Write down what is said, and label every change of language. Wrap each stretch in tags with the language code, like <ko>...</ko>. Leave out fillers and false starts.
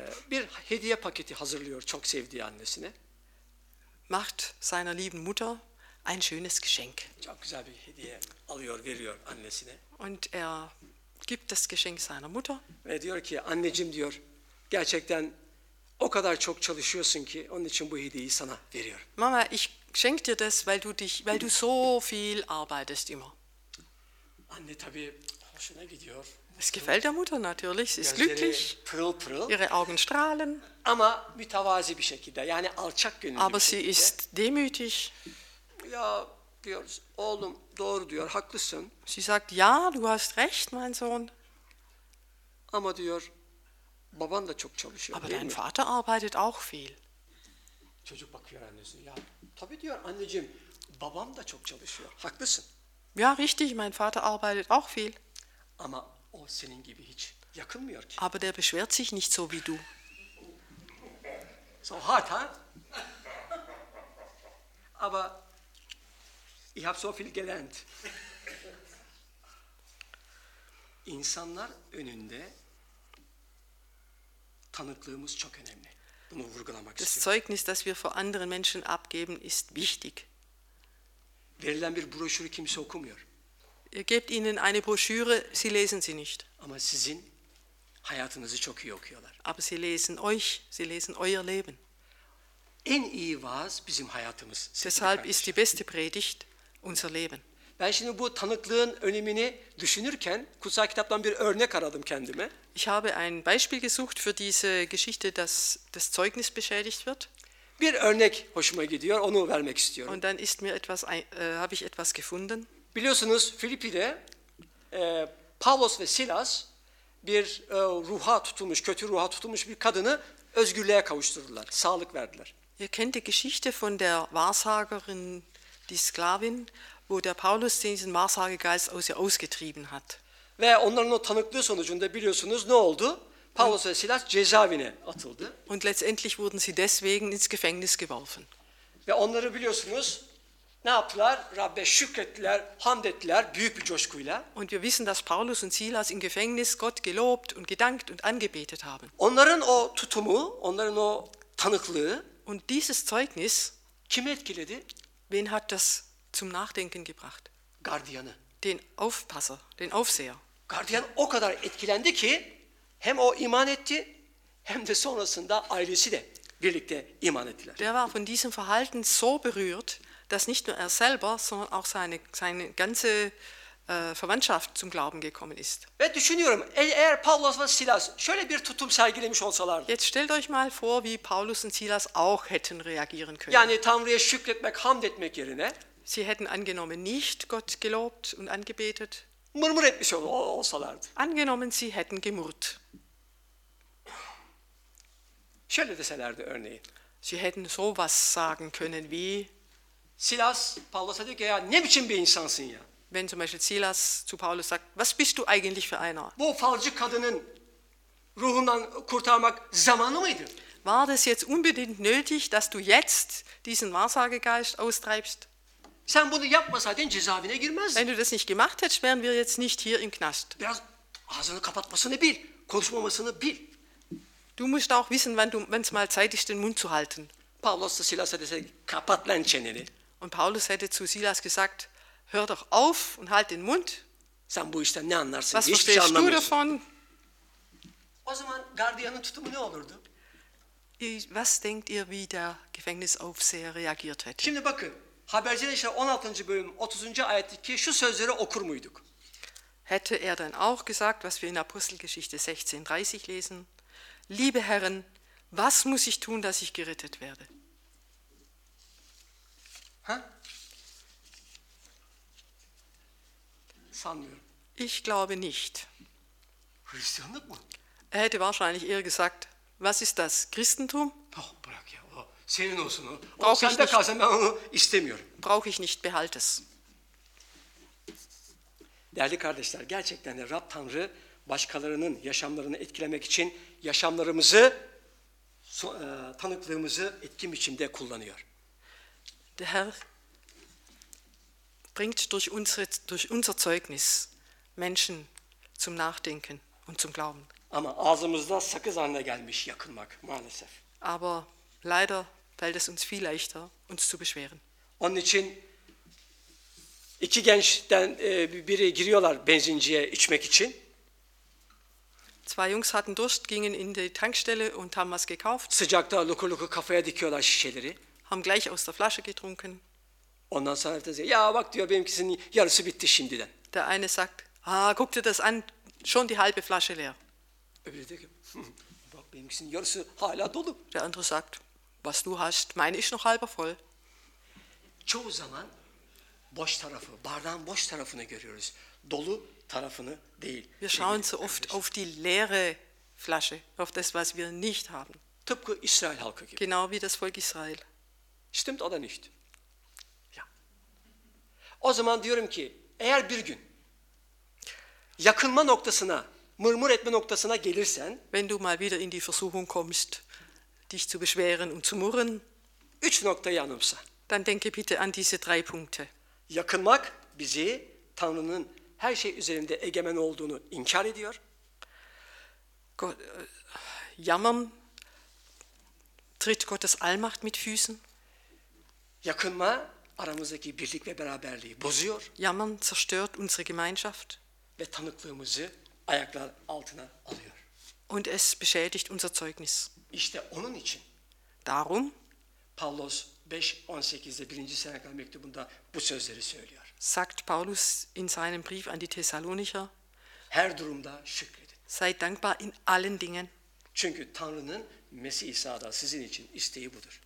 <tr>Bir hediye paketi hazırlıyor çok sevdiği annesine.</tr> <de>Macht seiner lieben Mutter ein schönes Geschenk.</de> <tr>Çok güzel bir hediye alıyor, veriyor annesine.</tr> <de>Und er gibt das Geschenk seiner Mutter.</de> <tr>Ve diyor ki, anneciğim diyor, gerçekten o kadar çok çalışıyorsun ki onun için bu hediyeyi sana veriyorum.</tr> <de>Mama, ich schenk dir das, weil du so viel arbeitest immer.</de> <tr>Anne tabii hoşuna gidiyor.</tr> <de>Es gefällt der Mutter natürlich, sie ist glücklich.</de> <tr>Pırıl pırıl.</tr> <de>Ihre Augen strahlen.</de> <tr>Ama mütevazi bir şekilde, yani alçak gönüllü.</tr> <de>Aber sie ist demütig.</de> <tr>Ya diyoruz. Oğlum doğru diyor, haklısın.</tr> <de>Sie sagt, ja, du hast recht, mein Sohn.</de> <tr>Ama diyor, baban da çok çalışıyor.</tr> <de>Aber dein Vater arbeitet auch viel.</de> <tr>Çocuk bakıyor annesine. Ya, tabii diyor anneciğim, babam da çok çalışıyor. Haklısın.</tr> <de>Ja, richtig, mein Vater arbeitet auch viel.</de> <tr>Ama o senin gibi hiç yakınmıyor ki.</tr> <de>Aber der beschwert sich nicht so wie du. So hart, ha? Aber ich habe so viel gelernt.</de> <tr>İnsanlar önünde tanıklığımız çok önemli. Bunu vurgulamak istiyorum.</tr> <de>Das Zeugnis, das wir vor anderen Menschen abgeben, ist wichtig.</de> <tr>Verilen bir broşürü kimse okumuyor.</tr> <de>Ihr gebt ihnen eine Broschüre, sie lesen sie nicht.</de> <tr>Ama sizin hayatınızı çok iyi okuyorlar.</tr> <de>Aber sie lesen euch, sie lesen euer Leben.</de> <tr>En iyi vaaz bizim hayatımız.</tr> <de>Deshalb ist die beste Predigt unser Leben.</de> <tr>Ben şimdi bu tanıklığın önemini düşünürken kutsal kitaptan bir örnek aradım kendime.</tr> <de>Ich habe ein Beispiel gesucht für diese Geschichte, dass das Zeugnis beschädigt wird.</de> <tr>Bir örnek hoşuma gidiyor, onu vermek istiyorum.</tr> <de>Und dann ist mir etwas habe ich etwas gefunden.</de> <tr>Biliyorsunuz Filipi'de Pavlos ve Silas bir ruha tutulmuş, kötü ruha tutulmuş bir kadını özgürlüğe kavuşturdular, sağlık verdiler.</tr> <de>Ihr kennt die Geschichte von der Wahrsagerin, die Sklavin, wo der Paulus diesen Wahrsagegeist aus ihr ausgetrieben hat.</de> <tr>Ve onların o tanıklığı sonucunda biliyorsunuz ne oldu? Paulus ve Silas cezaevine atıldı.</tr> <de>Und letztendlich wurden sie deswegen ins Gefängnis geworfen.</de> <tr>Ve onları biliyorsunuz ne yaptılar? Rabbe şükrettiler, hamd ettiler büyük bir coşkuyla.</tr> <de>Und wir wissen, dass Paulus und Silas im Gefängnis Gott gelobt und gedankt und angebetet haben.</de> <tr>Onların o tutumu, onların o tanıklığı.</tr> <de>Und dieses Zeugnis.</de> <tr>Kim etkiledi?</tr> <de>Wen hat das zum Nachdenken gebracht?</de> <tr>Gardiyanı.</tr> <de>Den Aufpasser, den Aufseher.</de> <tr>Gardiyan o kadar etkilendi ki hem o iman etti hem de sonrasında ailesi de birlikte iman ettiler.</tr> <de>Der war von diesem Verhalten so berührt, dass nicht nur selber, sondern auch seine ganze Verwandtschaft zum Glauben gekommen ist.</de> <tr>Ve düşünüyorum, eğer Paulus ve Silas şöyle bir tutum sergilemiş olsalardı.</tr> <de>Jetzt stellt euch mal vor, wie Paulus und Silas auch hätten reagieren können.</de> <tr>Yani Tanrı'ya şükretmek, hamd etmek yerine.</tr> <de>Sie hätten angenommen, nicht Gott gelobt und angebetet.</de> <tr>Mırmır etmiş olsalardı.</tr> <de>Angenommen, sie hätten gemurrt.</de> <tr>Şöyle deselerdi örneğin.</tr> <de>Sie hätten sowas sagen können wie</de> <tr>Silas, Paulus'a diyor ki ya ne biçim bir insansın ya.</tr> <de>Wenn zum Beispiel Silas zu Paulus sagt, was bist du eigentlich für einer?</de> <tr>Bu falcı kadının ruhundan kurtarmak zamanı mıydı?</tr> <de>War das jetzt unbedingt nötig, dass du jetzt diesen Wahrsagegeist austreibst?</de> <tr>Sen bunu yapmasaydın cezaevine girmezdin.</tr> <de>Wenn du das nicht gemacht hättest, wären wir jetzt nicht hier im Knast.</de> <tr>Biraz ağzını kapatmasını bil, konuşmamasını bil.</tr> <de>Du musst auch wissen, wenn es mal Zeit ist, den Mund zu halten.</de> <tr>Paulus da Silas'a dese, kapat lan çeneni.</tr> <de>Und Paulus hätte zu Silas gesagt, hör doch auf und halt den Mund.</de> <tr>Sen bu işten ne anlarsın?</tr> <de>Was verstehst du davon?</de> <tr>O zaman gardiyanın tutumu ne olurdu?</tr> <de>Was denkt ihr, wie der Gefängnisaufseher reagiert hätte?</de> <tr>Şimdi bakın, Haberciler İşler 16. bölüm 30. ayetteki şu sözleri okur muyduk?</tr> <de>Hätte er dann auch gesagt, was wir in Apostelgeschichte 16:30 lesen, liebe Herren, was muss ich tun, dass ich gerettet werde? Ha?</de> <tr>Sanmıyorum.</tr> <de>Ich glaube nicht.</de> <tr>Hristiyanlık mı?</tr> <de>Er hätte wahrscheinlich eher gesagt, was ist das, Christentum?</de> <tr>Oh, bırak ya, o senin olsun. O sende kalsın, ben onu istemiyorum.</tr> <de>Brauche ich nicht, behalte es.</de> <tr>Değerli kardeşler, gerçekten de Rab Tanrı başkalarının yaşamlarını etkilemek için yaşamlarımızı, tanıklığımızı etkin biçimde kullanıyor.</tr> <de>Der Herr bringt durch unser Zeugnis Menschen zum Nachdenken und zum Glauben.</de> <tr>Ama ağzımızda sakız haline gelmiş yakınmak maalesef.</tr> <de>Aber leider fällt es uns viel leichter, uns zu beschweren.</de> <tr>Onun için iki gençten biri giriyorlar benzinciye içmek için.</tr> <de>Zwei Jungs hatten Durst, gingen in die Tankstelle und haben was gekauft.</de> <tr>Sıcakta loku loku kafaya dikiyorlar şişeleri.</tr> <de>Haben gleich aus der Flasche getrunken.</de> <tr>Ondan sonra da diyor, ya bak diyor benimkisinin yarısı bitti şimdiden.</tr> <de>Der eine sagt, ah, guck dir das an, schon die halbe Flasche leer.</de> <tr>Öbürü diyor ki, bak benimkisinin yarısı hala dolu.</tr> <de>Der andere sagt, was du hast, meine ist noch halber voll.</de> <tr>Çoğu zaman boş tarafı, bardağın boş tarafını görüyoruz. Dolu tarafını değil.</tr> <de>Wir schauen so oft auf die leere Flasche, auf das, was wir nicht haben.</de> <tr>Tıpkı İsrail halkı gibi.</tr> <de>Genau wie das Volk Israel. Stimmt oder nicht? Ja.</de> <tr>O zaman diyorum ki, eğer bir gün yakınma noktasına, mırmır etme noktasına gelirsen,</tr> <de>wenn du mal wieder in die Versuchung kommst, dich zu beschweren und zu murren,</de> <tr>üç noktayı anımsa,</tr> <de>dann denke bitte an diese drei Punkte.</de> <tr>Yakınmak bizi Tanrı'nın her şey üzerinde egemen olduğunu inkar ediyor.</tr> <de>Jammern tritt Gottes Allmacht mit Füßen.</de> <tr>Yakınma aramızdaki birlik ve beraberliği bozuyor.</tr> <de>Jammern zerstört unsere Gemeinschaft.</de> <tr>Ve tanıklığımızı ayaklar altına alıyor.</tr> <de>Und es beschädigt unser Zeugnis.</de> <tr>İşte onun için.</tr> <de>Darum</de> <tr>Paulus 5:18'de 1. Senekal mektubunda bu sözleri söylüyor.</tr> <de>Sagt Paulus in seinem Brief an die Thessalonicher.</de> <tr>Her durumda şükredin.</tr> <de>Seid dankbar in allen Dingen.</de> <tr>Çünkü Tanrı'nın Mesih İsa'da sizin için isteği budur.</tr>